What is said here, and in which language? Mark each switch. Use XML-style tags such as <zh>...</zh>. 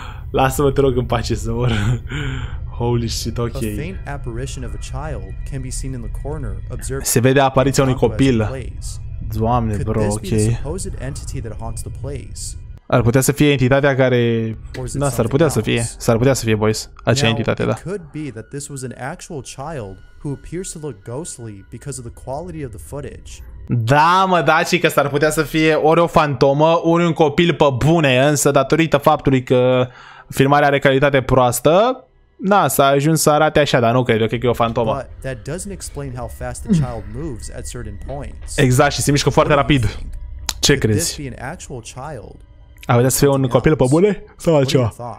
<ro>Lasă-mă, te rog, în pace să mor.</ro> <en>Holy shit, ok. A faint apparition of a child can be seen in the corner, observed.</en> <ro>Se vede apariția unui copil. Doamne, bro, ok.</ro> <en>Supposed entity that haunts the place.</en> <ro>Ar putea să fie entitatea care... Da, s-ar putea să fie. S-ar putea să fie, boys. Acea entitate, da.</ro> <en>Could be that this was an actual child who appears to look ghostly because of the quality of the footage.</en> <ro>Da, mă, da, ci că s-ar putea să fie ori o fantomă, ori un copil pe bune, însă datorită faptului că filmarea are calitate proastă, na, s-a ajuns să arate așa, dar nu cred, eu cred că e o fantomă. Exact, și se mișcă foarte rapid. Ce crezi? Ar putea să fie un copil pe bune sau altceva?</ro>